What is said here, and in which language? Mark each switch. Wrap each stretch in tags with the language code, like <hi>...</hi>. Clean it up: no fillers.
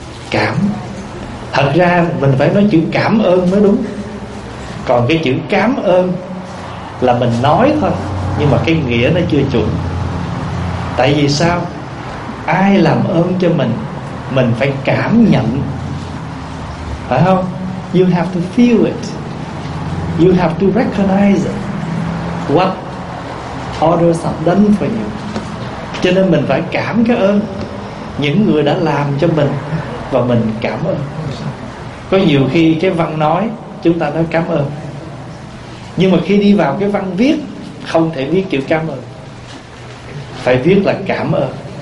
<vi>Cảm. Thật ra mình phải nói chữ cảm ơn mới đúng. Còn cái chữ cám ơn là mình nói thôi, nhưng mà cái nghĩa nó chưa chuẩn. Tại vì sao? Ai làm ơn cho mình, mình phải cảm nhận, phải không?</vi> <en>You have to feel it. You have to recognize what others have done for you.</en> <vi>Cho nên mình phải cảm cái ơn những người đã làm cho mình, và mình cảm ơn. Có nhiều khi cái văn nói chúng ta nói cảm ơn, nhưng mà khi đi vào cái văn viết không thể viết chữ cảm ơn, phải viết là cảm ơn.</vi>